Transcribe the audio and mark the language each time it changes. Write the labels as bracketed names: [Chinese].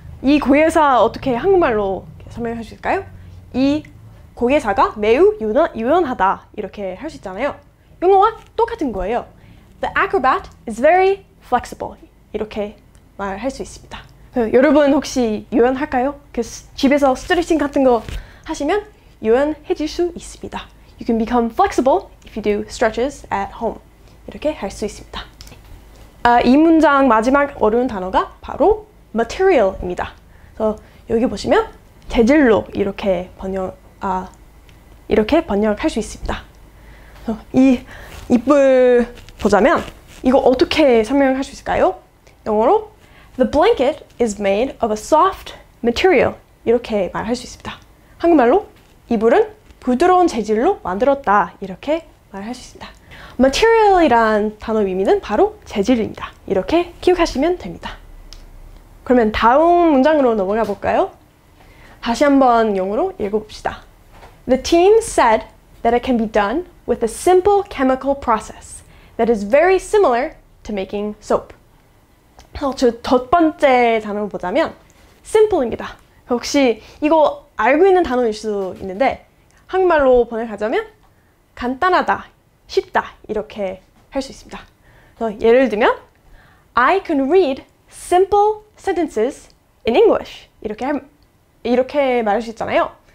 [Korean] 이 고개사 어떻게 한국말로 설명할 수 있을까요? 이 고개사가 매우 유연하다 이렇게 할 수 있잖아요. 영어와 똑같은 거예요. [English] The acrobat is very flexible. [Korean] 이렇게 말할 수 있습니다. 여러분 혹시 유연할까요? 집에서 스트레칭 같은 거 하시면 유연해질 수 있습니다. [English] You can become flexible if you do stretches at home. [Korean] 이렇게 할 수 있습니다. 이 문장 마지막 어려운 단어가 바로 material입니다. 그래서 여기 보시면 재질로 이렇게 번역할 수 있습니다. 이 입을 보자면 이거 어떻게 설명할 수 있을까요? 영어로 [English] The blanket is made of a soft material [Korean] 이렇게 말할 수 있습니다. 한국말로 이불은 부드러운 재질로 만들었다 이렇게 말할 수 있습니다. Material이란 단어 의미는 바로 재질입니다. 이렇게 기억하시면 됩니다. 그러면 다음 문장으로 넘어가 볼까요? 다시 한번 영어로 읽어봅시다. [English] The team said that it can be done with a simple chemical process that is very similar to making soap. [Korean] 첫 번째 단어 보자면 simple입니다. 혹시 이거 알고 있는 단어일 수 있는데 한국말로 번역하자면 간단하다, 쉽다 이렇게 할 수 있습니다. 예를 들면 [English] I can read simple sentences in English [Korean] 이렇게 말할 수 있잖아요.